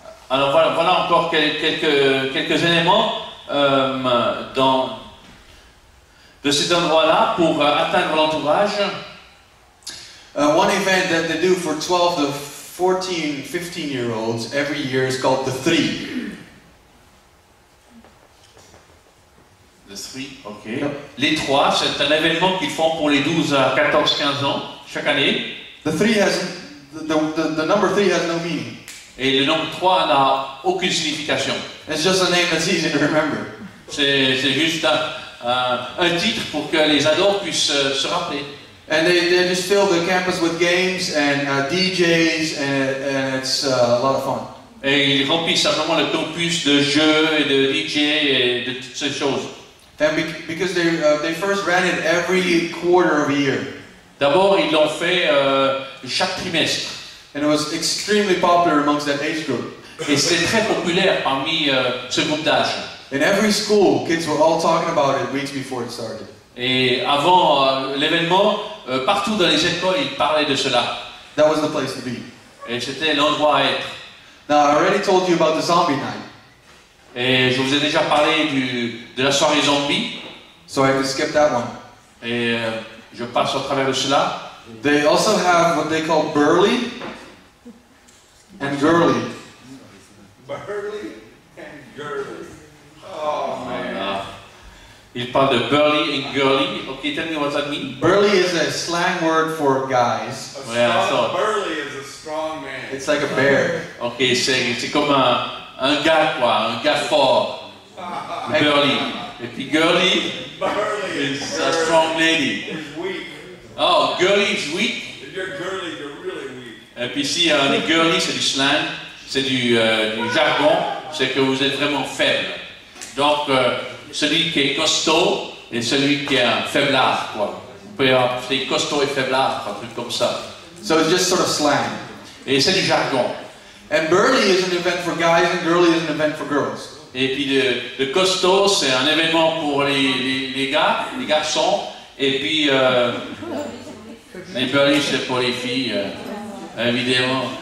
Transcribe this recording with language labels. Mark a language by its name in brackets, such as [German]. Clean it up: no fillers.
[French] Alors voilà encore quelques éléments de cet endroit-là pour atteindre l'entourage. [English] One event that they do for 12 to 14, 15 year olds every year is called the Three. The Three, ok. Yep. [French] Les Trois, c'est un événement qu'ils font pour les 12 à 14, 15 ans chaque année. [English] The Three has The number three has no meaning. [French] Et le nombre 3 n'a aucune signification. [English] It's just a name that's easy to remember. [French] C'est juste un titre pour que les ados puissent se rappeler. [English] And they just fill the campus with games and DJs and it's a lot of fun. [French] Et ils remplissent vraiment le campus de jeux et de DJs et de toutes ces choses. [English] And because they first ran it every quarter of a year. [French] D'abord, ils l'ont fait chaque trimestre. [English] And it was extremely popular amongst that age group. [French] Et c'était très populaire parmi ce groupe d'âge. [English] In every school, kids were all talking about it weeks before it started. [French] Et avant l'événement, partout dans les écoles, ils parlaient de cela. [English] That was the place to be. [French] Et c'était l'endroit à être. [English] Now, I already told you about the zombie night. [French] Et je vous ai déjà parlé de la soirée zombie. [English] So I can skip that one. [French] Et je passe au travers de cela. [English] They also have what they call burly and girly. Burly and girly. Oh man. [French] Il parle de [English] burly and girly. Okay, tell me what that means. Burly is a slang word for guys. Burly is a strong man. It's like a bear. [French] Okay, c'est comme un gars quoi, un gars fort. Burly. Et puis girly. [English] Burly is a strong lady. Oh, girly is weak. If you're girly, you're really weak. [French] Et puis si on est girly, c'est du slang, c'est du jargon, c'est que vous êtes vraiment faible. Donc, celui qui est costaud et celui qui est faiblard, quoi. Vous pouvez appeler costaud et faiblard, un truc comme ça. [English] So it's just sort of slang. [French] Et c'est du jargon. [English] And burly is an event for guys and girly is an event for girls. [French] Et puis le costaud, c'est un événement pour les gars, les garçons. Et puis, les burly, c'est pour les filles, évidemment.